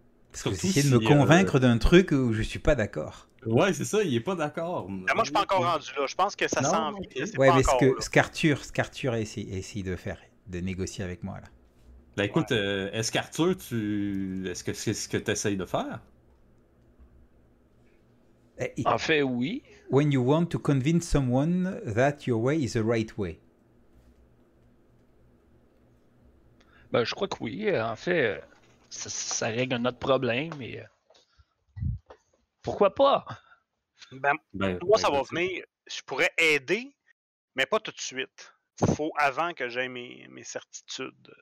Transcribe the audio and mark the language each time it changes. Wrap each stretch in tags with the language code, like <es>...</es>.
<fr>Parce que vous essayez de me convaincre d'un truc où je suis pas d'accord. Ouais, c'est ça, il est pas d'accord. Mais... Moi, je suis pas encore rendu là. Je pense que ça sent. Ouais, mais encore, ce que Scarthur a essayé de faire, de négocier avec moi, là. Ben écoute, ouais. Scarthur, est-ce que c'est ce que tu essayes de faire? En fait, oui.</fr> <en>When you want to convince someone that your way is the right way.</en> <fr>Ben, je crois que oui. En fait, ça règle un autre problème, mais. Pourquoi pas? Ben, moi, ça va venir. je pourrais aider, mais pas tout de suite. Il faut avant que j'aie mes certitudes.</fr>